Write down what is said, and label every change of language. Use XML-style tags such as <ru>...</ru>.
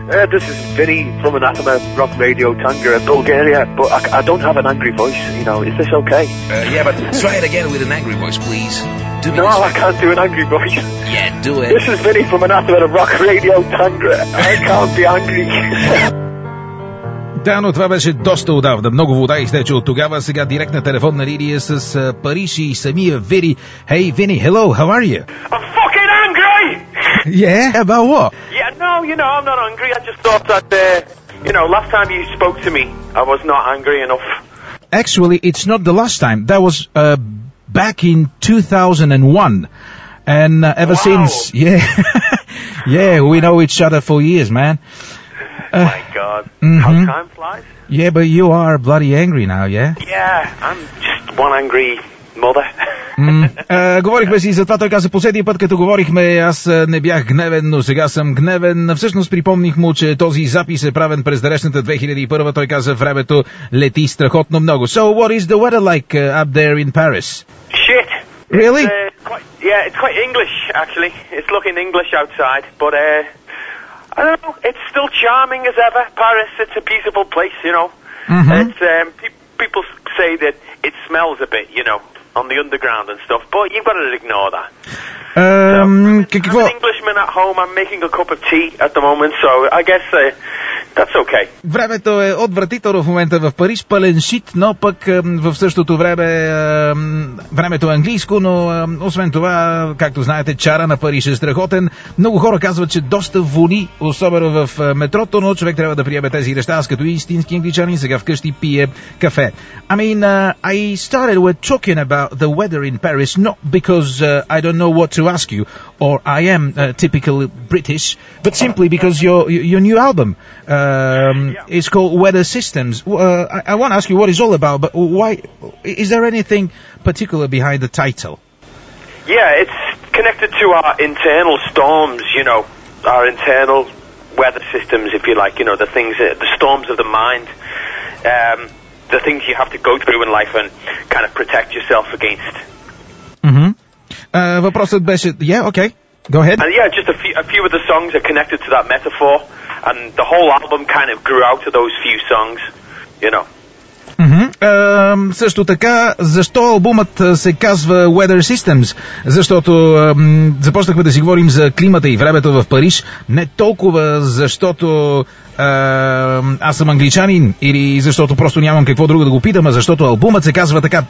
<en>This is Vinny from Anathema Rock Radio, Tanger in Bulgaria, but I don't have an angry voice, you know. Is this okay? Yeah, but try it again with an angry voice, please. No, I can't do an angry voice. Yeah, do it. This is Vinny from Anathema Rock Radio, Tanger. I can't be angry.</en> <bg>Да, но това беше доста отдавна. Много вода изтече от тогава. Сега директна телефонна линия с Париж и самия Вини.</bg> <en>Hey, Vinny, hello, how are you? I'm fucking angry! Yeah, about what? Yeah, no, you know, I'm not angry. I just thought that, you know, last time you spoke to me, I was not angry enough. Actually, it's not the last time. That was back in 2001. And ever wow. since, yeah, yeah, we know each other for years, man. My God, mm-hmm. how time flies. Yeah, but you are bloody angry now, yeah? Yeah, I'm just one angry mother.</en> <bg>Говорихме си за това, той каза последния път, като говорихме, аз не бях гневен, но сега съм гневен. Всъщност припомних му, че този запис е правен през далечната 2001, той каза времето лети страхотно много.</bg> <en>So what is the weather like up there in Paris? Shit! Really? It's quite English, actually. It's looking English outside, but I don't know, it's still charming as ever. Paris, it's a beautiful place, you know. Mm-hmm. People say that it smells a bit, you know, on the underground and stuff, but you've got to ignore that. I'm an Englishman at home, I'm making a cup of tea at the moment, so I guess that's okay.</en> <bg>Времето е отвратително в момента в Париж, пълен шит, но пък в същото време времето е английско, но освен това, както знаете, чара на Париж е страхотен. Много хора казват, че доста вони, особено в метрото, но човек трябва да приеме тези неща. Аз като истински англичанин сега вкъщи пие кафе.</bg> <en>I mean, I started with talking about the weather in Paris, not because I don't know what to ask you, or I am typical British, but simply because your new album is called Weather Systems. I want to ask you what it's all about, but why is there anything particular behind the title? Yeah, it's connected to our internal storms, you know, our internal weather systems, if you like, you know, the things, the storms of the mind, the things you have to go through in life and kind of protect yourself against. Mm-hmm.</en> <bg>Вопросът беше...</bg> <en>Yeah, okay. Go ahead. And yeah, just a few of the songs are connected to that metaphor, and the whole album kind of grew out of those few songs, you know. Mm-hmm.</en> <bg>Също така, защо албумът се казва Weather Systems? Защото започнахме да си говорим за климата и времето в Париж, не толкова защото аз съм англичанин или защото просто нямам какво друго да го питам, а защото албумът се казва така.</bg>